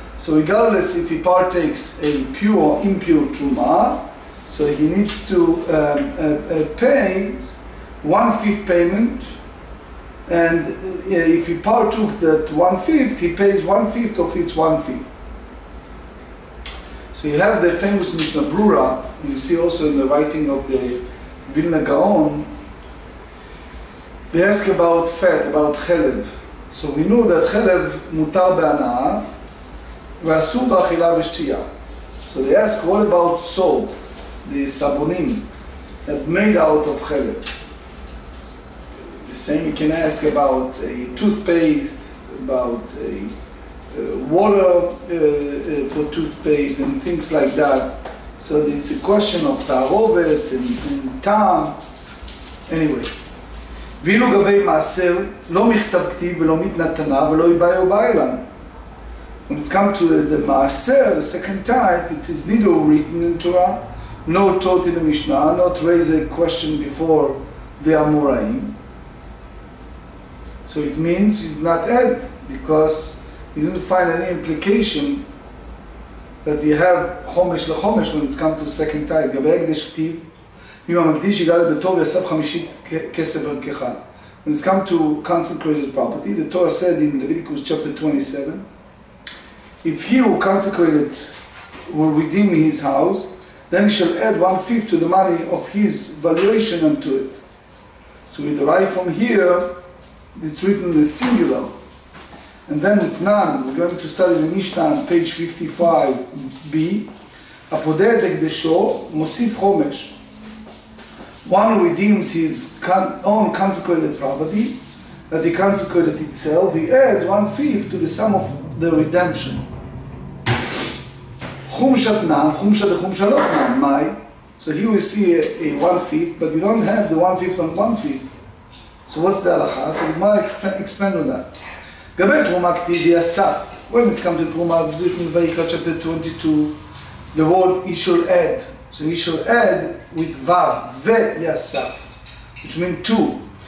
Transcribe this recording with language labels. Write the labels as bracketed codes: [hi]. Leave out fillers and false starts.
[en] So, regardless if he partakes a pure or impure truma, so he needs to pay 1/5 payment, and if he partook that 1/5, he pays 1/5 of its 1/5. So you have the famous Mishnah Brura, and you see also in the writing of the וילנה גאון, they ask about fat, about חלב. So we knew that [he] חלב מותר בהנאה, ואסור באכילה ושתייה. [en] So they ask, what about soap, the סבונים, that made out of חלב? The same you can ask about toothpaste, about water for toothpaste and things like that. So it's a question of תערובת and טעם. Anyway. [he] ואילו גבי מעשר, לא מכתב כתיב ולא מתנתנה ולא יבאי או באי לן. [en] When it's come to the מעשר, the second tithe, it is neither written in Torah, nor taught in the Mishnah, not raise a question before the Amoraim. So it means it's not ed, because you didn't find any implication that you have חומש לחומש when it's come to second tithe. [he] גבי הקדש כתיב, אם המקדיש יגאל בטוב יסף חמישית כסף ערכך. [en] When it's come to consecrated property, the Torah said in Leviticus chapter 27, if he who consecrated will redeem his house, then he shall add one-fifth to the money of his valuation unto it. So we derive from here, it's written in the singular. And then with none, we're going to study the Mishnah on page 55b, [he] הפודד הקדשו מוסיף חומש. [en] One who redeems his own consecrated property, that he consecrated himself, he adds one-fifth to the sum of the redemption. [he] חומשת נען, חומשת חומשת לא נען, מי? [en] So here we see a one-fifth, but you don't have the one-fifth on one-fifth. So what's the הלכה? So we might expand on that. [he] גבי תרומה כתיב, יסף. [en] When it's come to תרומה, this is written in Vayikra chapter 22, the word he shall add. So he shall add with vav, ve-yasaf, which means two.